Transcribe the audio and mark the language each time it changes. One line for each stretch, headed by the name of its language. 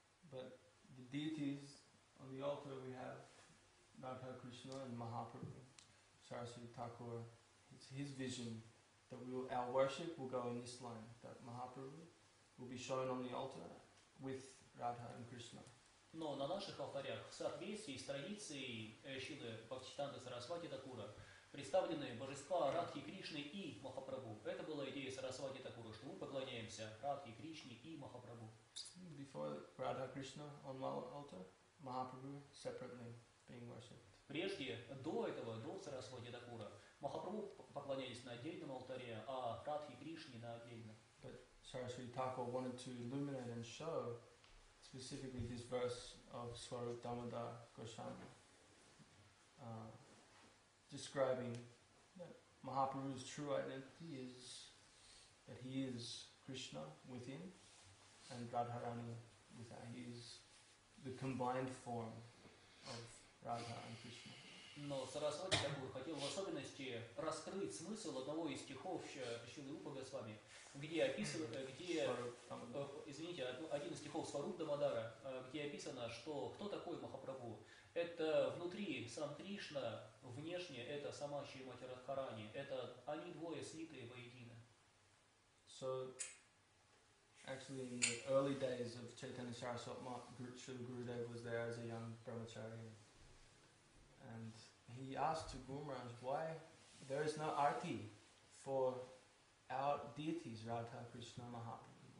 English: But the deities on the altar, we have Radha Krishna and Mahaprabhu. Saraswati Thakur, it's his vision that our worship will go in this line, that Mahaprabhu will be shown on the altar with Radha and Krishna.
Russian: Но на наших алтарях в соответствии с традицией Шилы Бхактисиддханты Сарасвати Такура представлены божества Радхи Кришны и Махапрабху. Это была идея Сарасвати Такура, что мы поклоняемся Радхи Кришне и Махапрабху.
English: Before Radha Krishna on one altar, Mahaprabhu separately being worshipped.
Russian: Прежде, до этого, до Сарасвати Такура, Махапрабху поклонялись на отдельном алтаре, а Радхи Кришне на отдельном.
English: But Sarasvati Thakur wanted to illuminate and show specifically this verse of Swarup Damodar Goswami, describing that Mahaprabhu's true identity is that he is Krishna within and Radharani without. He is the combined form of Radha and Krishna.
Russian: Но Сарасвати Такур хотел в особенности раскрыть смысл одного из стихов Шилы Рупа Госвами, где описывает, где, извините, один из стихов Сварупа Дамодара, где описано, что кто такой Махапрабху? Это внутри сам Кришна, внешне это сама Шримати Радхарани, это они двое слитые воедино.
English: So, actually, in the early days of Chaitanya Sarasvati, Shri Gurudev was there as a young brahmacharya. And he asked to Guru Maharaj, why there is no arti for our deities, Radha, Krishna, Mahaprabhu.